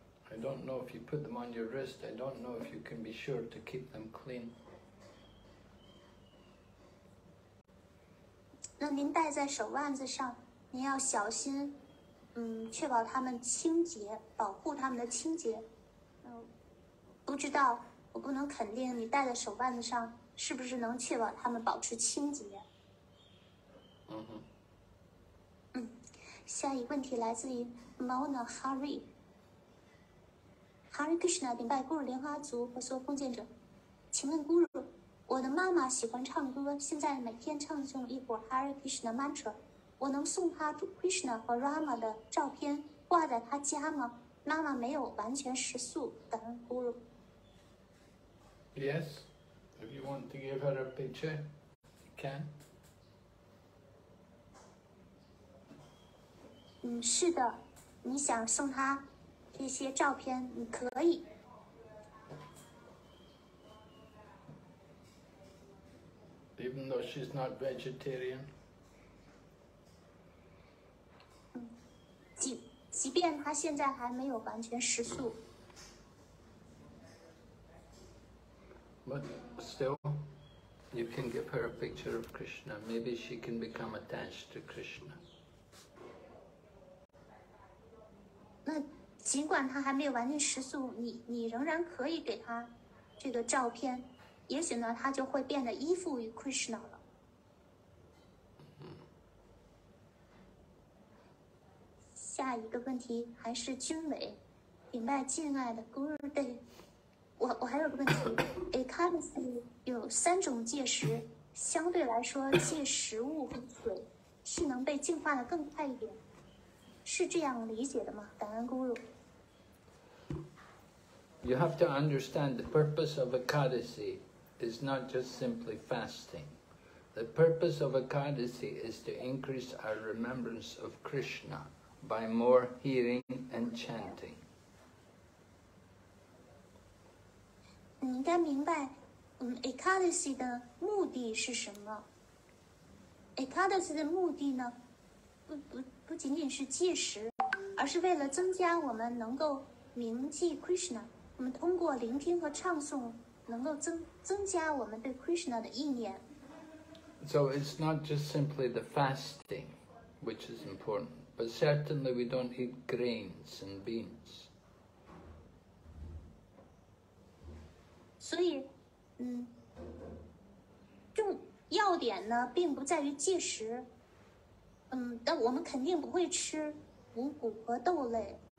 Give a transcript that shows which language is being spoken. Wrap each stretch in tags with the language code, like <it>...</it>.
<en>I don't know if you put them on your wrist. I don't know if you can be sure to keep them clean.</en> <zh>那您戴在手腕子上，您要小心，确保它们清洁，保护它们的清洁。不知道，我不能肯定你戴在手腕子上是不是能确保它们保持清洁。 Mm-hmm. 下一问题来自于 Mona Hari。Hari Krishna， 顶拜 Guru 莲花族和所有奉献者，请问 Guru， 我的妈妈喜欢唱歌，现在每天唱诵一会儿 Hari Krishna mantra， 我能送她 Krishna 和 Rama 的照片挂在她家吗？妈妈没有完全食素，感恩 Guru。</zh> <en>Yes, if you want to give her a picture, you can.</en> <zh>是的，你想送她一些照片，你可以。</zh> <en>Even though she's not vegetarian.</en> <zh>即便她现在还没有完全食素。</zh> <en>But still, you can give her a picture of Krishna. Maybe she can become attached to Krishna.</en> <zh>那尽管她还没有完全食素，你仍然可以给她这个照片，也许呢，她就会变得依附于 Krishna 了。下一个问题还是君伟，明白敬爱的 Guru Day。我还有个问题 ，Ekadasi 有三种戒食，相对来说戒食物和水是能被净化的更快一点，是这样理解的吗？感恩 Guru。</zh> <en>You have to understand the purpose of Ekadasi is not just simply fasting. The purpose of Ekadasi is to increase our remembrance of Krishna by more hearing and chanting.</en> <zh>你应该明白，Ekadasi 的目的是什么 ？Ekadasi 的目的呢，不仅仅是戒食，而是为了增加我们能够铭记 Krishna。我们通过聆听和唱诵，能够增加我们对 Krishna 的意念。</zh> <en>So it's not just simply the fasting, which is important, but certainly we don't eat grains and beans.</en> <zh>所以，重要点呢，并不在于戒食。但我们肯定不会吃五谷和豆类。</zh>